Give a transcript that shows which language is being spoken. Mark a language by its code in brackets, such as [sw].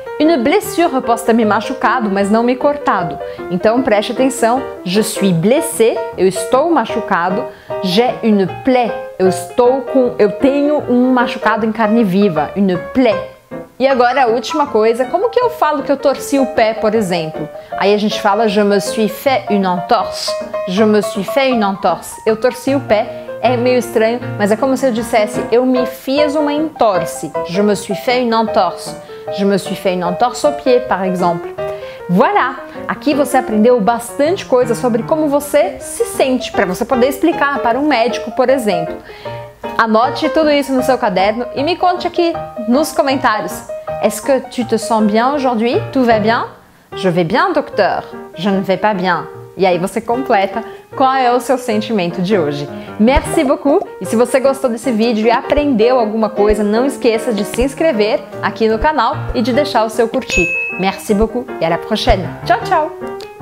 [pt] Une blessure, eu posso ter me machucado, mas não me cortado. Então, preste atenção. [fr] Je suis blessé, [pt] eu estou machucado. [fr] J'ai une plaie, [pt] eu estou com... Eu tenho um machucado em carne viva. [fr] Une plaie. [pt] E agora, a última coisa. Como que eu falo que eu torci o pé, por exemplo? Aí a gente fala, [fr] je me suis fait une entorse. Je me suis fait une entorse. [pt] Eu torci o pé. É meio estranho, mas é como se eu dissesse, eu me fiz uma entorse. [fr] Je me suis fait une entorse. Je me suis fait une entorse au pied, par exemple. Voilà! [pt] Aqui você aprendeu bastante coisa sobre como você se sente, para você poder explicar para um médico, por exemplo. Anote tudo isso no seu caderno e me conte aqui nos comentários. [fr] Est-ce que tu te sens bien aujourd'hui? Tout va bien? Je vais bien, docteur. Je ne vais pas bien. [pt] E aí você completa qual é o seu sentimento de hoje. [fr] Merci beaucoup! [pt] E se você gostou desse vídeo e aprendeu alguma coisa, não esqueça de se inscrever aqui no canal e de deixar o seu curtir. [fr] Merci beaucoup [pt] e [fr] à la prochaine! [pt] Tchau, tchau!